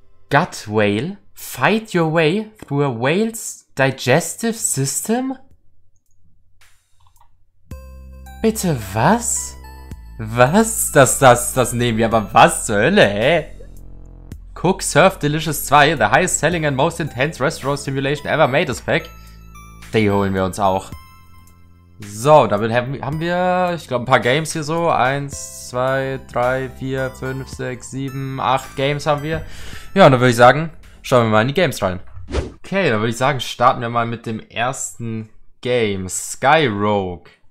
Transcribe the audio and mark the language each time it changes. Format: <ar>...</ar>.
<en>Gut Whale, Fight Your Way Through a Whale's Digestive System?</en> <de>Bitte, was? Was? Das nehmen wir, aber was zur Hölle, hä?</de> <en>Cook Surf Delicious 2, the highest selling and most intense restaurant simulation ever made is back.</en> <de>Die holen wir uns auch. So, damit haben wir, ich glaube, ein paar Games hier so. 1, 2, 3, 4, 5, 6, 7, 8 Games haben wir. Ja, und dann würde ich sagen, schauen wir mal in die Games rein. Okay, dann würde ich sagen, starten wir mal mit dem ersten Game, Sky Rogue.</de>